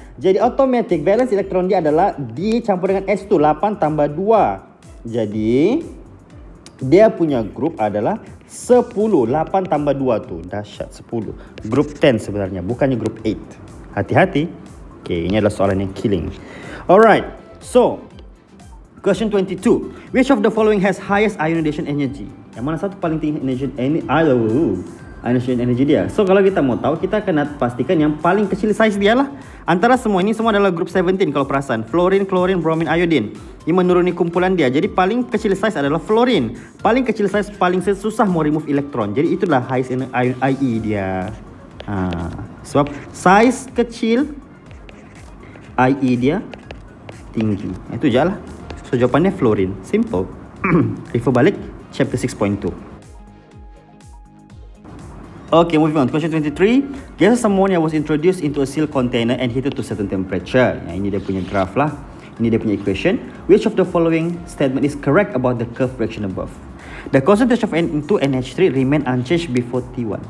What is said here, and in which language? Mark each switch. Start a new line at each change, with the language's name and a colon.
Malay: Jadi, automatic valence elektron dia adalah D campur dengan S tu. 8 tambah 2. Jadi, dia punya grup adalah 10. 8 tambah 2 tu. Dahsyat, 10. Grup 10 sebenarnya. Bukannya grup 8. Hati-hati. Okay, ini adalah soalan yang killing.
English: Alright. So, question 22. Which of the following has highest ionization energy?
Malay: Yang mana satu paling tinggi ionization energy dia? So, kalau kita mau tahu, kita kena pastikan yang paling kecil size dia lah. Antara semua ini, semua adalah grup 17 kalau perasan. Fluorine, chlorine, bromine, iodine. Yang menuruni kumpulan dia. Jadi, paling kecil size adalah fluorine. Paling kecil size, paling susah mau remove elektron. Jadi, itulah highest IE dia. Sebab, size kecil, IE dia tinggi. Itu je lah. So, jawapannya fluorine. Simple. Refer balik chapter 6.2.
English: Okay, moving on. Question 23. Gas ammonia was introduced into a sealed container and heated to certain temperature.
Malay: Nah, ini dia punya graph lah. Ini dia punya equation.
English: Which of the following statement is correct about the curve reaction above? The concentration of N2 and NH3 remain unchanged before T1.